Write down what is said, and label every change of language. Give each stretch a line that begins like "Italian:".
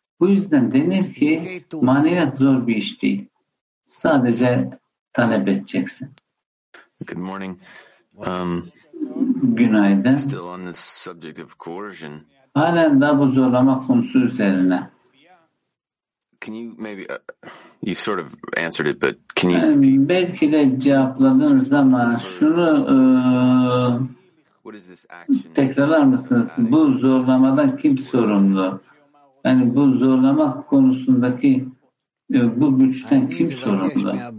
Turkish: Bu yüzden denir ki maneviyat zor bir iş değil. Sadece talep edeceksin.
English: Good morning.
Turkish: Günaydın.
English: Still on the subject of coercion.
Turkish: Halen daha bu zorlama konusu üzerine.
English: Can you maybe you sort of answered it, but can you?
Turkish: Yani belki de cevapladınız ama şunu tekrarlar mısınız? Bu zorlamadan kim sorumlu? Yani bu zorlama konusundaki bu güçten kim sorumlu?